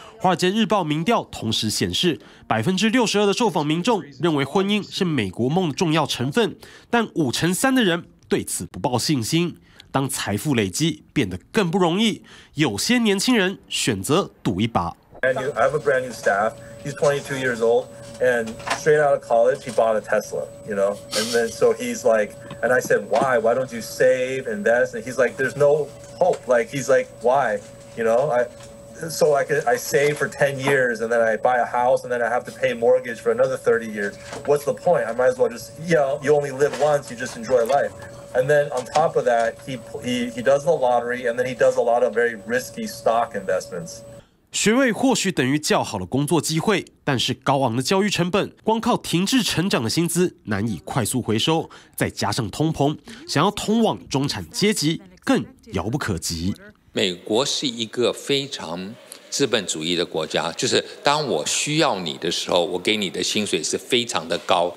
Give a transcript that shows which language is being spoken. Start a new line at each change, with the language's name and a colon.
Chinese: 华尔街日报民调同时显示，62%的受访民众认为婚姻是美国梦的重要成分，但53%的人对此不抱信心。当财富累积变得更不容易，有些年轻人选择赌一把。
English: I have a brand new staff. He's 22 years old. And straight out of college, he bought a Tesla, you know? And then, so he's like, and I said, why don't you save, invest? And he's like, there's no hope. Like, he's like, why? You know, I save for 10 years and then I buy a house and then I have to pay mortgage for another 30 years. What's the point? I might as well just, you know, you only live once, you just enjoy life. And then on top of that, he does the lottery and then he does a lot of very risky stock investments.
Chinese: 学位或许等于较好的工作机会，但是高昂的教育成本，光靠停滞成长的薪资难以快速回收，再加上通膨，想要通往中产阶级更遥不可及。美国是一个非常资本主义的国家，就是当我需要你的时候，我给你的薪水是非常的高。